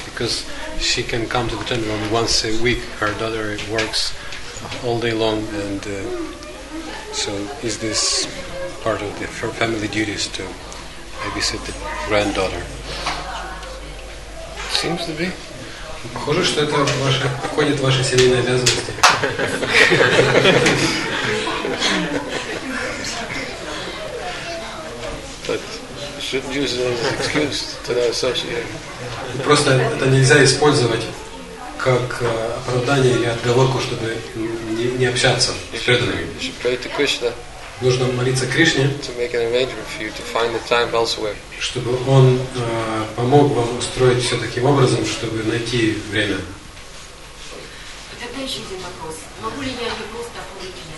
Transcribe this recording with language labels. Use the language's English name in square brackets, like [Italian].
[English] Because she can come to the temple only once a week. Her daughter works all day long, and so is this part of her family duties to babysit the granddaughter? Seems to be. [Russian] Похоже, что это входит в ваши семейные обязанности. [English] But shouldn't use it as an excuse to not associate. [Russian] Просто это нельзя использовать как оправдание или отговорку, чтобы не общаться с преданными. [English] You should pray to Krishna. [Russian] Нужно молиться Кришне, [English] to make an arrangement for you to find the time elsewhere. [Russian] Чтобы он помог вам устроить все таким образом, чтобы найти время. Тогда еще один вопрос. Могу ли я ее просто оформить?